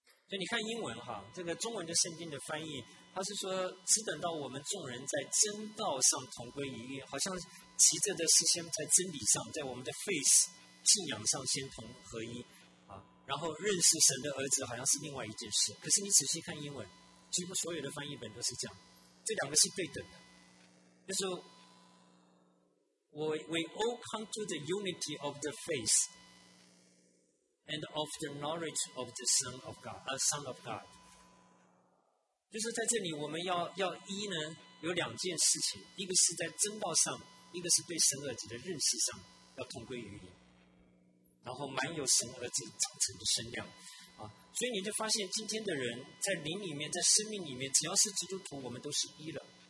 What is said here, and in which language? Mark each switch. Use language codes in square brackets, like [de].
[zh] 所以你看英文哈，这个中文的圣经的翻译，他是说只等到我们众人在真道上同归于义，好像骑着的是先在真理上，在我们的 faith 信仰上先同合一啊，然后认识神的儿子好像是另外一件事。可是你仔细看英文，几乎所有的翻译本都是这样，这两个是对等的。就是 [en] we all come to the unity of the faithand of the knowledge of the Son of God, Son of God. [zh] 就是在这里我们 要一呢，有两件事情，一个是在真道上，一个是对神儿子的认识上要同归于义，然后满有神儿子长成的身量啊。所以你就发现今天的人在灵里面，在生命里面，只要是基督徒，我们都是一了。